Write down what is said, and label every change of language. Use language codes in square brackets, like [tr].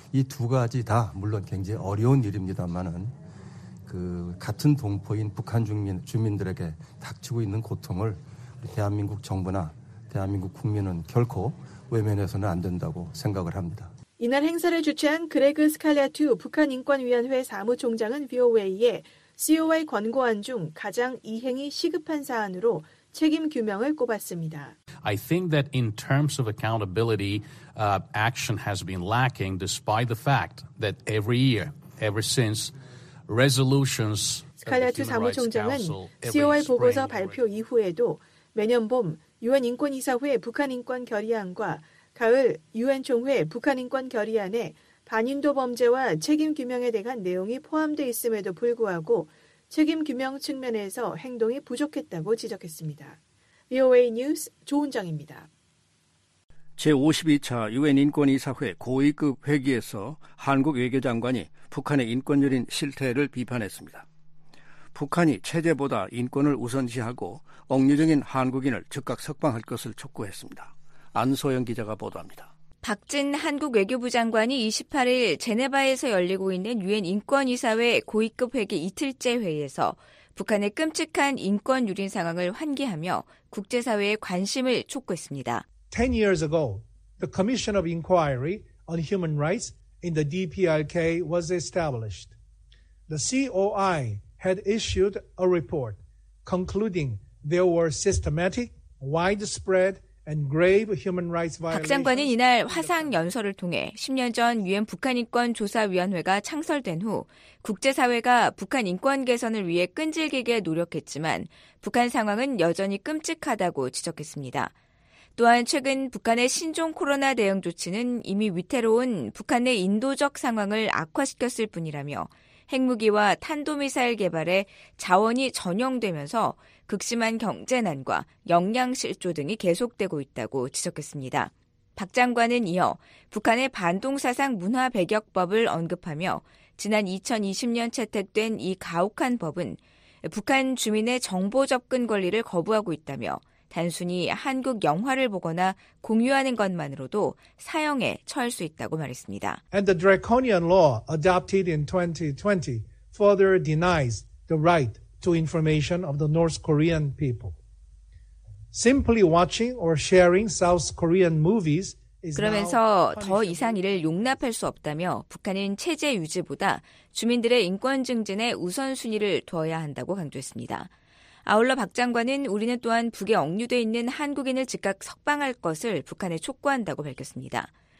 [ko] 이 두 가지 다 물론 굉장히 어려운 일입니다만은 그 같은 동포인 북한 주민들에게 닥치고 있는 고통을 대한민국 정부나 대한민국 국민은 결코 외면해서는 안 된다고 생각을 합니다. 이날 행사를 주최한 그레그 스칼레투 북한인권위원회 사무총장은 VOA에 COI 권고안 중 가장 이행이 시급한 사안으로 책임 규명을 꼽았습니다. [en] I think that in terms of accountability, action has been lacking despite the fact that every year, ever since resolutions [ko] 스칼레투 사무총장은 COI 보고서 발표 이후에도 매년 봄 유엔 인권이사회 북한인권 결의안과 가을 유엔총회 북한인권결의안에 반인도 범죄와 책임규명에 대한 내용이 포함되어 있음에도 불구하고 책임규명 측면에서 행동이 부족했다고 지적했습니다. VOA 뉴스 조은정입니다. 제52차 유엔인권이사회 고위급 회기에서 한국 외교장관이 북한의 인권유린 실태를 비판했습니다. 북한이 체제보다 인권을 우선시하고 억류적인 한국인을 즉각 석방할 것을 촉구했습니다. 안소영 기자가 보도합니다. 박진 한국 외교부 장관이 28일 제네바에서 열리고 있는 유엔 인권이사회 고위급 회기 이틀째 회의에서 북한의 끔찍한 인권 유린 상황을 환기하며 국제사회의 관심을 촉구했습니다. [en] 10 years ago, the Commission of Inquiry on Human Rights in the DPRK was established. The COI had issued a report concluding there were systematic, widespread, and grave human rights violations. [ko] 박 장관은 이날 화상 연설을 통해 10년 전 유엔 북한인권조사위원회가 창설된 후 국제사회가 북한 인권 개선을 위해 끈질기게 노력했지만 북한 상황은 여전히 끔찍하다고 지적했습니다. 또한 최근 북한의 신종 코로나 대응 조치는 이미 위태로운 북한의 인도적 상황을 악화시켰을 뿐이라며 핵무기와 탄도미사일 개발에 자원이 전용되면서 극심한 경제난과 영양실조 등이 계속되고 있다고 지적했습니다. 박 장관은 이어 북한의 반동사상 문화 배격법을 언급하며 지난 2020년 채택된 이 가혹한 법은 북한 주민의 정보 접근 권리를 거부하고 있다며 단순히 한국 영화를 보거나 공유하는 것만으로도 사형에 처할 수 있다고 말했습니다. [en] And the draconian law adopted in 2020 further denies the right to information of the North Korean people. Simply watching or sharing South Korean movies is [ko] 그러면서 더 이상 이를 용납할 수 없다며 북한은 체제 유지보다 주민들의 인권 증진에 우선순위를 둬야 한다고 강조했습니다. 아울러 박 장관은 우리는 또한 북에 억류돼 있는 한국인을 즉각 석방할 것을 북한에 촉구한다고 밝혔습니다.